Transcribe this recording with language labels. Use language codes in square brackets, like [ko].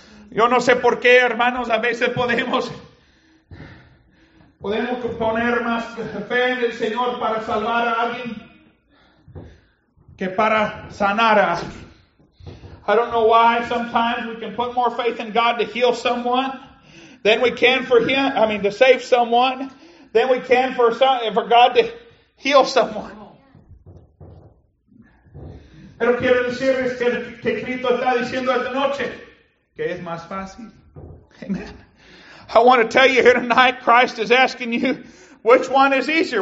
[es] Yo no sé por qué, hermanos, a veces podemos poner más fe en el Señor para salvar a alguien que para sanar a alguien. [en] I don't know why sometimes we can put more faith in God to heal someone than we can for him, I mean to save someone, than we can for God to heal someone. [es] Pero quiero decirles que Cristo está diciendo esta noche que es más fácil. [en] Amen. I want to tell you here tonight, Christ is asking you, which one is easier?